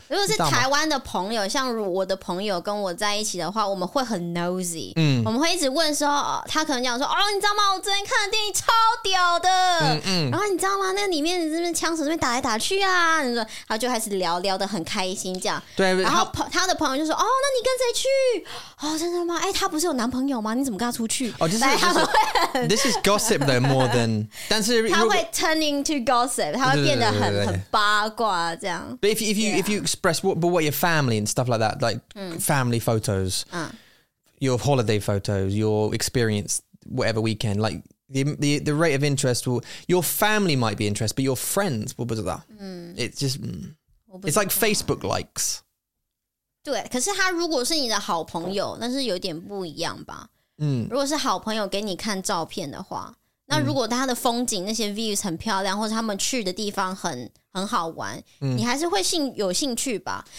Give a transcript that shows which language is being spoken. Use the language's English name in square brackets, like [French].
[Chinese] 如果是台湾的朋友，像我的朋友跟我在一起的话，我们会很 nosy. 嗯。我们会一直问说，他可能讲说，哦，你知道吗？我昨天看的电影超屌的。嗯嗯。然后你知道吗？那里面你这边枪手这边打来打去啊。你说，然后就开始聊聊得很开心这样。对。然后他的朋友就说，哦，那你跟谁去？哦，真的吗？哎，他不是有男朋友吗？你怎么跟他出去？哦，就是 [English] This is gossip though more than [Chinese] 但是他会 [English] turn into gossip， [Chinese] 他会变得很八卦这样。 [English] But if you express what your family and stuff like that, like family photos, your holiday photos, your experience, whatever weekend, like the rate of interest will your family might be interested, but your friends will be like that. It's just it's like Facebook likes. [Chinese] 对，可是他如果是你的好朋友，那是有点不一样吧？如果是好朋友给你看照片的话，那如果他的风景那些 views 很漂亮，或者他们去的地方很好玩，你还是会有兴趣吧？